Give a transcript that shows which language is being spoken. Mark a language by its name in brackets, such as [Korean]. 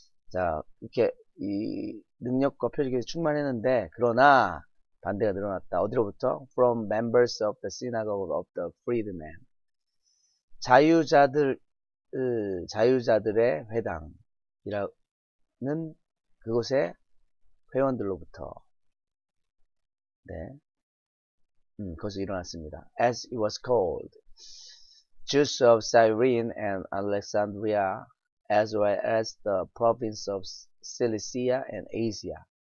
[Korean] 자, 이렇게 이 능력과 표적에서 충만했는데, 그러나 반대가 늘어났다. 어디로부터? [English] From members of the synagogue of the freedmen. [Korean] 자유자들의 회당이라는 그곳의 회원들로부터. 네. 거기서 일어났습니다. [English] As it was called, Jews of Cyrene and Alexandria, as well as the province of Cilicia and Asia.